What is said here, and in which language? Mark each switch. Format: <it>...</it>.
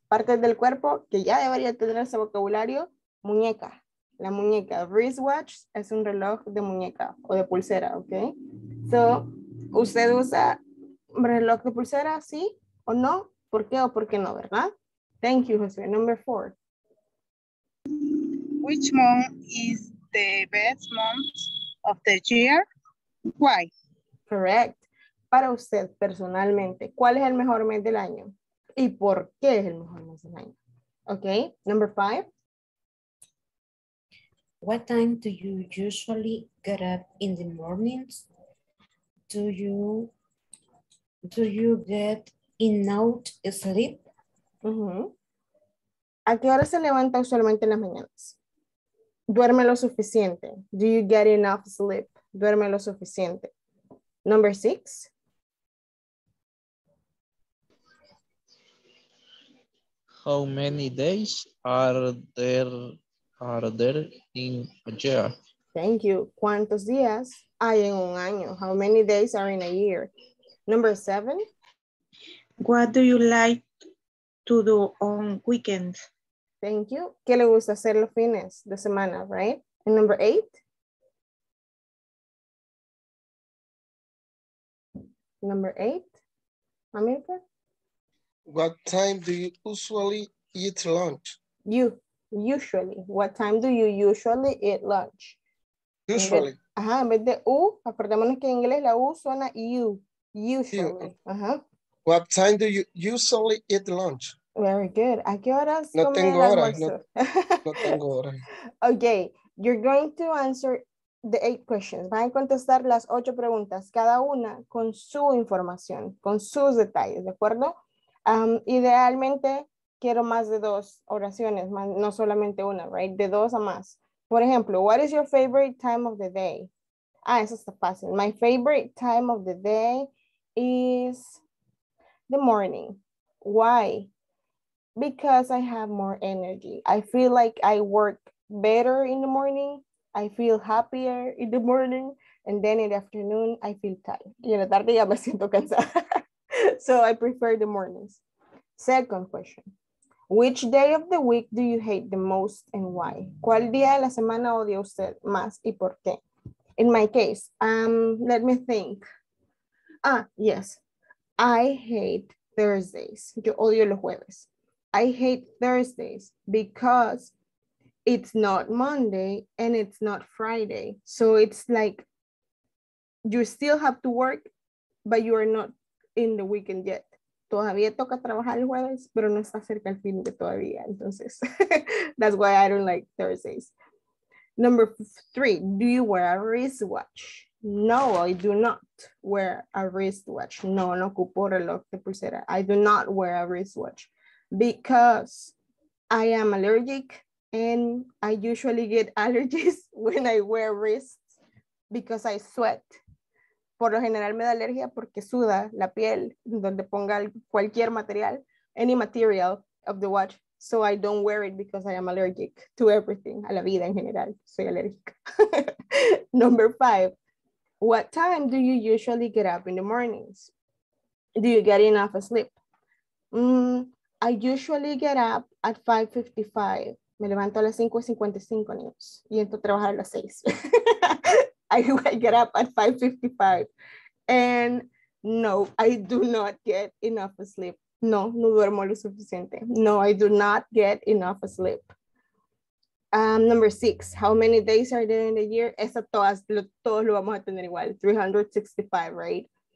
<es>Partes del cuerpo que ya debería tener ese vocabulario, muñeca, la muñeca. Wristwatch es un reloj de muñeca o de pulsera, ¿ok? So, ¿usted usa reloj de pulsera, sí o no? ¿Por qué o por qué no, verdad?</es> <en>Thank you, Jose. Number 4. Which month is the best month of the year? Why? Correct.</en> <es>Para usted personalmente, ¿cuál es el mejor mes del año? ¿Y por qué es el mejor mes del año?</es> <en>Okay, number 5. What time do you usually get up in the mornings? Do you get enough sleep? Uh-huh.</en> <es>¿A qué hora se levanta usualmente en las mañanas? ¿Duerme lo suficiente?</es> <en>Do you get enough sleep? ¿Duerme lo suficiente? Number 6. How many days are there in a year? Thank you.</en> <es>¿Cuántos días hay en un año?</es> <en>How many days are in a year? Number 7. What do you like to do on weekends? Thank you.</en> <es>¿Qué le gusta hacer los fines de semana, right?</es> <en>And number 8. Number 8. America? What time do you usually eat lunch? Usually. What time do you usually eat lunch? Usually.</en> <es>Ajá, en vez de U, acordémonos que en inglés la U suena U.</es> <en>Usually. Uh-huh. What time do you usually eat lunch? Very good.</en> <es>¿A qué horas? No tengo hora. No tengo hora.</es> <en>Okay. You're going to answer the 8 questions.</en> <es>Van a contestar las 8 preguntas, cada una con su información, con sus detalles, ¿de acuerdo? Idealmente, quiero más de 2 oraciones, más, no solamente una, right? De 2 a más. Por ejemplo,</es> <en>what is your favorite time of the day?</en> <es>Ah, eso está fácil.</es> <en>My favorite time of the day is the morning. Why? Because I have more energy. I feel like I work better in the morning. I feel happier in the morning. And then in the afternoon, I feel tired.</en> <es>Y en la tarde ya me siento cansada.</es> <en>So I prefer the mornings. Second question. Which day of the week do you hate the most and why?</en> <es>¿Cuál día de la semana odia usted más y por qué?</es> <en>In my case, let me think. Ah, yes. I hate Thursdays.</en> <es>Yo odio los jueves.</es> <en>I hate Thursdays because it's not Monday and it's not Friday. So it's like you still have to work, but you are not in the weekend yet.</en> <es>Todavía toca trabajar el jueves, pero no está cerca el fin de todavía. Entonces,</es> <en>that's why I don't like Thursdays. Number 3, do you wear a wristwatch? No, I do not wear a wristwatch.</en> <es>No, no ocupo reloj de pulsera.</es> <en>I do not wear a wristwatch because I am allergic and I usually get allergies when I wear wrists because I sweat.</en> <es>Por lo general me da alergia porque suda la piel donde ponga cualquier material,</es> <en>any material of the watch. So I don't wear it because I am allergic to everything,</en> <es>a la vida en general, soy alérgica.</es> <en>Number 5, what time do you usually get up in the mornings? Do you get enough sleep? I usually get up at 5:55.</en> <es>Me levanto a las 5:55, niños, y entro a trabajar a las 6.</es> <en>I get up at 5:55. And no, I do not get enough sleep.</en> <es>No, no duermo lo suficiente.</es> <en>No, I do not get enough sleep. Number 6, how many days are there in the year?</en> <es>Esa todos lo vamos a tener igual, 365,</es> <en>right?</en>